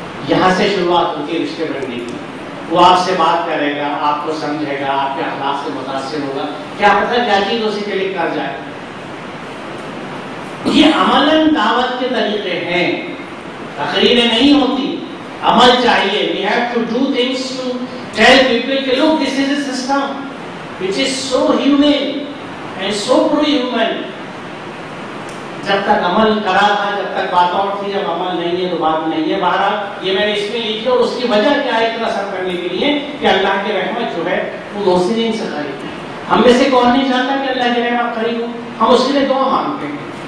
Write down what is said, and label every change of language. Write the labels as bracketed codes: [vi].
[hi] यहाँ से शुरुआत होती है रिश्ते बनने की। वो आपसे बात करेगा, आपको समझेगा, आपके हालात से मुतासर होगा, क्या पता क्या चीज उसी के लिए कर जाए। ये अमलन दावत के तरीके हैं, तकरीरें नहीं होती, अमल चाहिए। [en] We have to do things to tell people [hi] कि [en] look, this is a system which is so humane and so pro-human. [hi] जब तक अमल करा था, जब तक बात और थी, जब अमल नहीं है तो बात नहीं है। बारह ये मैंने इसमें लिखी और उसकी वजह क्या है इतना सर करने के लिए कि अल्लाह की रहमत जो है वो दोस्ती नहीं सका है। हम में से कौन नहीं चाहता कि अल्लाह की रहमत करीब हो, हम उसके लिए दुआ मांगते हैं।